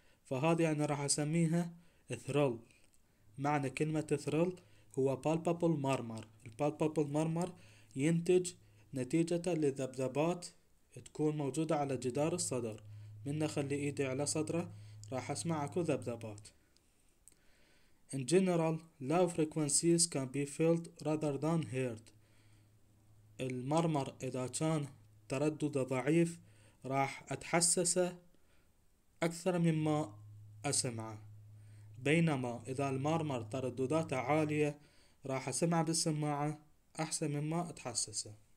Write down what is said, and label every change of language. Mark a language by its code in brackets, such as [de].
[ar] فهذا يعني راح اسميها ثرل. معنى كلمة ثرل هو palpable murmur. palpable murmur ينتج نتيجة للذبذبات تكون موجودة على جدار الصدر، من اخلي ايدي على صدره راح اسمع اكو ذبذبات. [en] In general, low frequencies can be felt rather than heard. [ar] المرمر إذا كان تردده ضعيف راح أتحسسه أكثر مما أسمعه، بينما إذا المرمر تردداته عالية راح أسمعه بالسماعة أحسن مما أتحسسه.